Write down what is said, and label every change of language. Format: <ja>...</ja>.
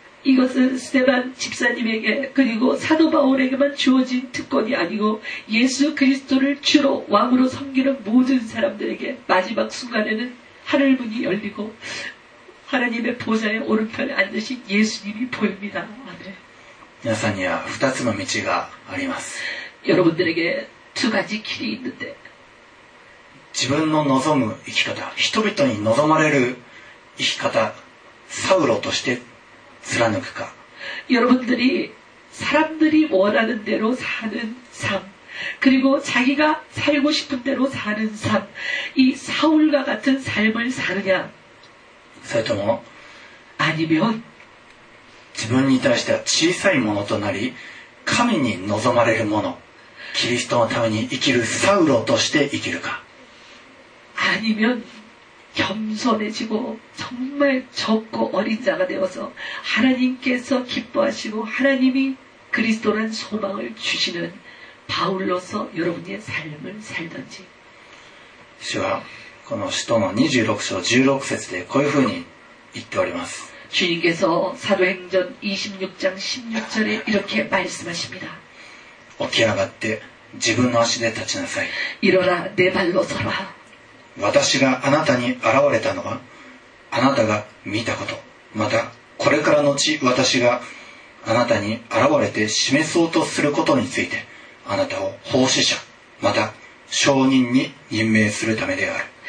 <ko>이것은스테반집사님에게그리고사도바울에게만주어진특권이아니고예수그리스도를주로왕으로섬기는모든사람들에게마지막순간에는하늘문이열리고하나님의보좌의오른편에앉으신예수님이보입니다아멘</ko> <ja>皆さんには2つの道があります</ja> <ko>여러분들에게두가지길이있는데</ko> <ja>自分の望む生き方人々に望まれる生き方サウロとして貫くか</ja> <ko>여러분들이사람들이원하는대로사는삶그리고자기가살고싶은대로사는삶이사울과같은삶을사느냐</ko> <ja>それとも</ja> <ko>아니면</ko> <ja>自分に対しては小さいものとなり神に望まれるものキリストのために生きるサウロとして生きるか</ja> <ko>아니면겸손해지고정말적고어린자가되어서하나님께서기뻐하시고하나님이그리스도라는소망을주시는바울로서여러분의삶을살던지</ko> <ja>主はこの使徒の26章16節でこういうふうに言っております</ja> <ko>주님께서사도행전26장16절에이렇게말씀하십니다</ko> <ja>起き上がって自分の足で立ちなさい</ja> <ko>일어나내발로서라</ko> <ja>私があなたに現れたのはあなたが見たことまたこれからのち私があなたに現れて示そうとすることについてあなたを奉仕者また証人に任命するためである</ja>